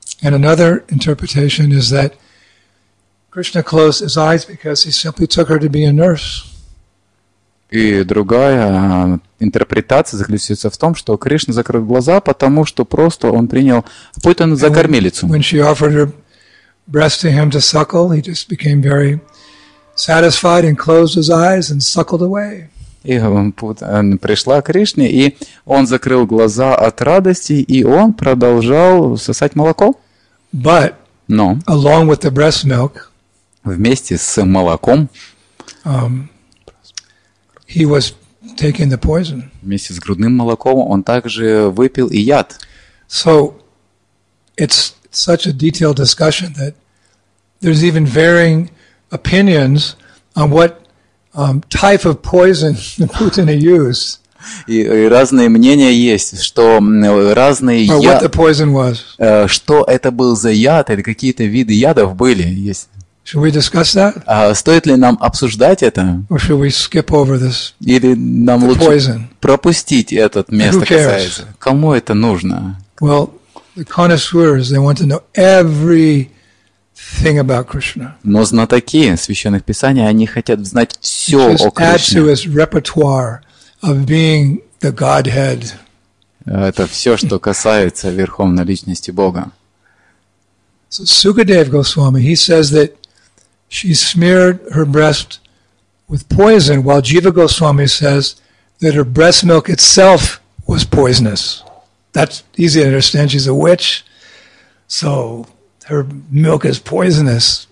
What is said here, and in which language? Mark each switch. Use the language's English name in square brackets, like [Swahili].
[English] And another interpretation is that Krishna closed his eyes because he simply took her to be a nurse. [Russian] И другая интерпретация заключается в том, что Кришна закрыл глаза, потому что просто он принял Путану за кормилицу. [English] When she offered her breast to him to suckle, he just became very satisfied and closed his eyes and suckled away. [Russian] И он пришла к Кришне, и он закрыл глаза от радости, и он продолжал сосать молоко. [English] But, [Russian] но [English] along with the breast milk, [Russian] вместе с молоком, [English] he was taking the poison. [Russian] Вместе с грудным молоком он также выпил и яд. [English] So, it's such a detailed discussion that there's even varying opinions on what type of poison Putana used. [Russian] И разные мнения есть, что разные [English] яды. What the poison was? [Russian] Что это был за яд или какие-то виды ядов были? Есть. [English] Should we discuss that? [Russian] Стоит ли нам обсуждать это? [English] Or should we skip over this? [Russian] Или нам лучше poison? Пропустить этот место касается? Кому это нужно? [English] Well, the connoisseurs, they want to know everything about Krishna. [Russian] Но знатоки священных писаний, они хотят знать все о Кришне. [English] Just add to his repertoire of being the Godhead. [Russian] Это все, что касается Верховной Личности Бога. [English] So Sukadev Goswami, he says that she smeared her breast with poison, while Jiva Goswami says that her breast milk itself was poisonous. That's easy to understand. She's a witch, so her milk is poisonous.